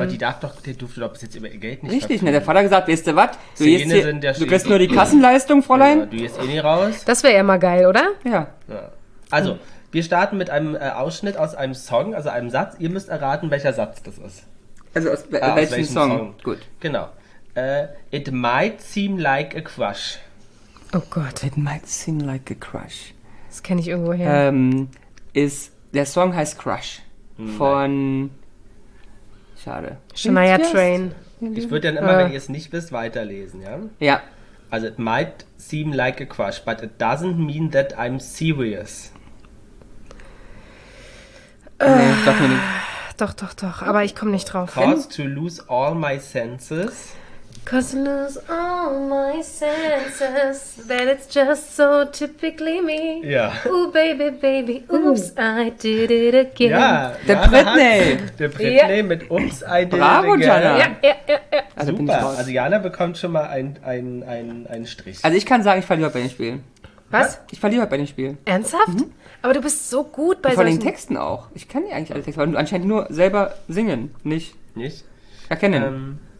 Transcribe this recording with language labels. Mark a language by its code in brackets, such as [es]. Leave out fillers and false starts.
[de] Aber die durfte doch bis jetzt über ihr Geld nicht... Richtig, ne, der Vater hat gesagt, weißt du was? Du kriegst nur die Kassenleistung, Fräulein. Ja, du gehst eh nie raus. Das wäre ja mal geil, oder? Ja. Also, wir starten mit einem Ausschnitt aus einem Song, also einem Satz. Ihr müsst erraten, welcher Satz das ist. Also aus welchem Song? Gut. Genau. [en] It might seem like a crush. [de] Oh Gott. [en] It might seem like a crush. [de] Das kenne ich irgendwo her. Der Song heißt Crush. von... Schade. Shania Twain. Ich würde dann immer, wenn ihr es nicht wisst, weiterlesen, ja? Ja. [en] Also, it might seem like a crush, but it doesn't mean that I'm serious. [de] Doch, aber ich komme nicht drauf. [en] Cause to lose all my senses. Cause to lose all my senses. That it's just so typically me. [de] Ja. [en] Ooh, baby, baby, oops, I did it again. [de] Ja, der Britney. Der Britney mit [en] oops, I did [de] Bravo, [en] it again. [de] Bravo, Jana. Ja. Super. Also Jana bekommt schon mal einen Strich. Also ich kann sagen, ich verliere bei den Spielen. Was? Ich verliere bei den Spielen. Ernsthaft? Mhm. Aber du bist so gut bei solchen... Vor den Texten auch. Ich kenne ja eigentlich alle Texte, weil du anscheinend nur selber singen, nicht erkennen.